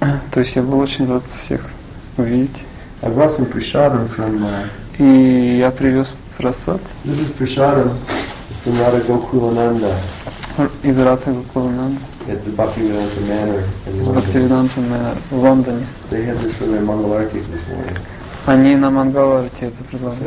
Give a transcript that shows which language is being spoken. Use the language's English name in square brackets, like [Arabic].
[Russian] То есть я был очень рад всех увидеть. [English] I brought some prasadam from there. [Russian] И я привез прасад. [English] This is prasadam from Radha Gokulananda. [Russian] Из Радха Гокулананда. [English] At the Bhaktivedanta Manor in London. [Russian] С Бхактивиданта Манор в Лондоне. [English] They had this from their Mangalarti this morning. [Russian] Они на Мангаларте это предлагают.